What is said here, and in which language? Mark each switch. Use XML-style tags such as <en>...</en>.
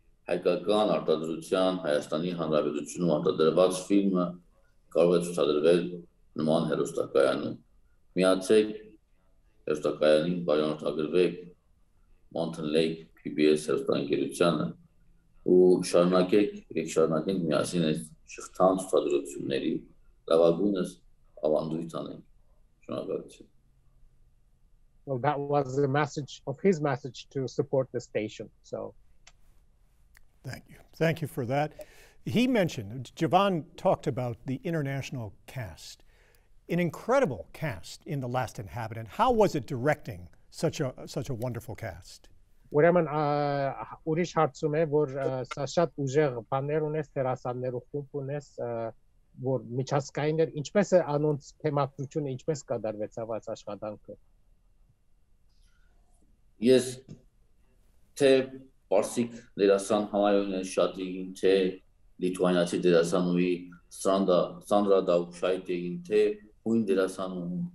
<hy>հայկական արտադրության, Հայաստանի Հանրապետությունում արտադրված ֆիլմը կարող է ցուցադրվել նման հեռուստակայանում։ Միացեք հեռուստակայանին, բարոյնորդագրվեք Mountain Lake PBS հեռուստաընկերությանը ու շարունակեք, եթե շարունակենք միասին այս շղթան ցուցադրությունների լավագույնս ավանդույթ անենք։ Շնորհակալություն։</hy> <en>Well, that was the message of his message to support the station. So, thank you. Thank you for that. He mentioned, Jivan talked about the international cast, an incredible cast in The Last Inhabitant. How was it directing such a wonderful cast?</en> <hy>Ուրեմն, ուրիշ հարցում է, որ սա շատ ուժեղ բաներ ունես, դերասաններով խումբ ունես, որ միջազգային էր, ինչպես է անոնց թեմատրությունը, ինչպես կատարվեցավ այս աշխատանքը։ Ես թե պարսիկ դերասան համայնքն են շատ էին, թե լիտվանացի դերասանուի Սանդրա Դավուշայտ էին, թե հույն դերասանուն,</hy>